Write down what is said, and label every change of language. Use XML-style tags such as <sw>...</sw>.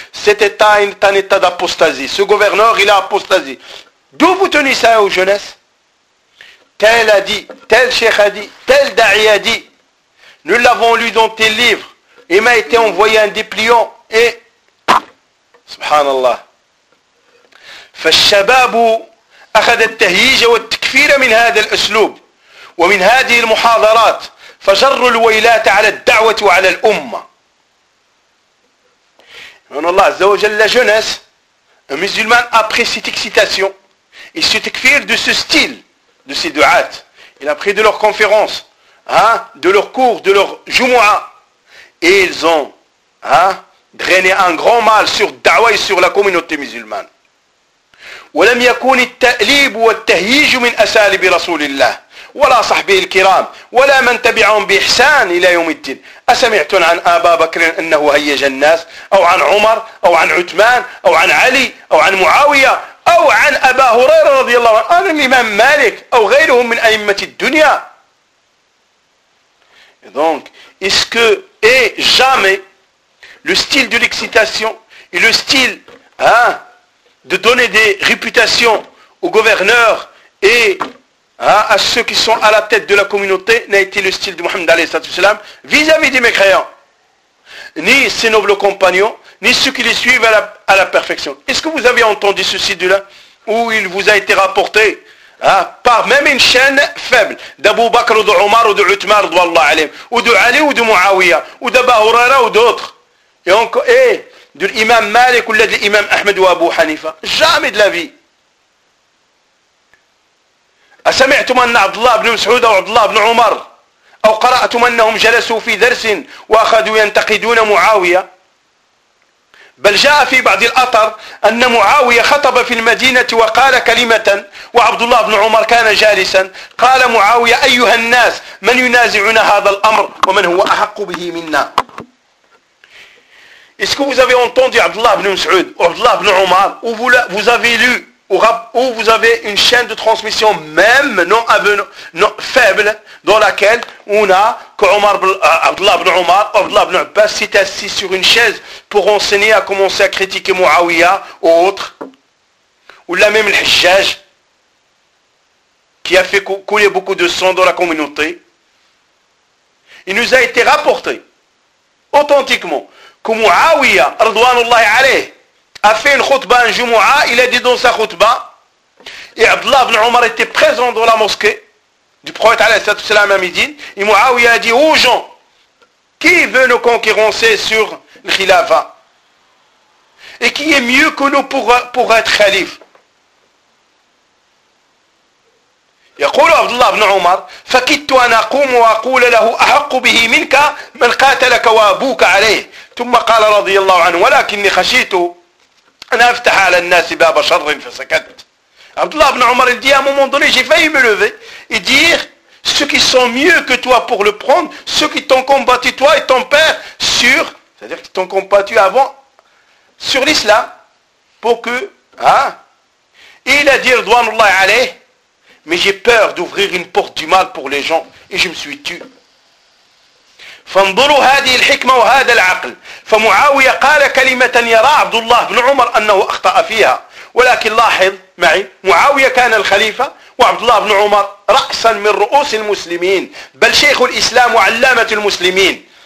<fr>Cet état est un état d'apostasie. Ce gouverneur, il a apostasie. D'où vous tenez ça aux jeunesses? Tel a dit, tel cheikh a dit, tel da'i a dit. Nous l'avons lu dans tes livres. Il m'a été envoyé un dépliant et...</fr> <ar>Subhanallah. فالشباب أخذ التهييج والتكفير من هذا الأسلوب ومن هذه المحاضرات فجروا الويلات على الدعوة وعلى الأمة. من الله عز وجل</ar> <fr>la jeunesse, un musulman a pris cette excitation et ce tekfir de ce style de ces du'at. Il a pris de leurs conférences, hein, de leurs cours, de leurs jumu'a et ils ont drainé un grand mal sur da'wa et sur la communauté musulmane.</fr> <ar>ولم يكن التأليب والتهييج من أساليب رسول الله ولا صحبه الكرام ولا من تبعهم بإحسان إلى يوم الدين. أسمعتم عن أبا بكر أنه هيج الناس أو عن عمر أو عن عثمان أو عن علي أو عن معاوية أو عن أبا هريرة رضي الله عنه أو الإمام مالك أو غيرهم من أئمة الدنيا.</ar> <fr>Donc, est-ce que et jamais le style de l'excitation et le style de donner des réputations aux gouverneurs et à ceux qui sont à la tête de la communauté n'a été le style de Mohammed al-Islam vis-à-vis des mécréants, ni ses nobles compagnons, ni ceux qui les suivent à la perfection. Est-ce que vous avez entendu ceci de là, où il vous a été rapporté par même une chaîne faible d'Abu Bakr ou d'Omar ou d'Uthmar ou d'Ali ou de Muawiya ou d'Aba Hurara ou d'autres et de l'imam Malik ou de l'imam Ahmed ou Abu Hanifa? Jamais de la vie.</fr> <ar>Asami'tum anna Abdullah ibn Mas'ud ou Abdullah ibn Umar ou qara'tum annahum jalasu fi darsin wa akhadu yantaqiduna Muawiya? بل جاء في بعض الأثر أن معاوية خطب في المدينة وقال كلمة وعبد الله بن عمر كان جالسا. قال معاوية: أيها الناس، من ينازعنا هذا الأمر ومن هو أحق به منا؟</ar> <fr>Est-ce que vous avez entendu Abdullah ibn Mas'ud, Abdullah ibn Omar, ou vous avez lu, ou vous avez une chaîne de transmission même non faible, dans laquelle on a Abdullah ibn Omar, Abdullah ibn Abbas s'est assis sur une chaise pour enseigner, à commencer à critiquer Mouawiya ou autre, ou la même Al-Hajjaj, qui a fait couler beaucoup de sang dans la communauté. Il nous a été rapporté, authentiquement, que Mouawiya, Ardouanullah alayh, a fait une khutba en Jumu'a. Il a dit dans sa khutba, et Abdullah ibn Omar était présent dans la mosquée du prophète alayhi salatu salam à Médine, et Mouawiya a dit aux gens: qui veut nous concurrencer sur le khilafa? Et qui est mieux que nous pour être khalife?</fr> <ar>يقول عبد الله بن عمر: فكدت أن أقوم وأقول له أحق به منك من قاتلك وأبوك عليه. ثم قال رضي الله عنه: ولكني خشيت أن أفتح على الناس باب شر فسكت.</ar> <fr>عبد الله بن عمر dit: à un moment donné j'ai failli me lever et dire: ceux qui sont mieux que toi pour le prendre, ceux qui t'ont combattu toi et ton père sur, c'est-à-dire qui t'ont combattu avant sur l'islam, pour que il a dit</fr> <ar>رضوان الله عليه:</ar> <fr>mais j'ai peur d'ouvrir une porte du mal pour les gens, et je me suis tué.</fr> <ar>فانظروا هذه الحكمة وهذا العقل. فمعاوية قال كلمة يرى عبد الله بن عمر أنه أخطأ فيها. ولكن لاحظ معي، معاوية كان الخليفة وعبد الله بن عمر رأسا من رؤوس المسلمين، بل شيخ الإسلام وعلامة المسلمين.</ar>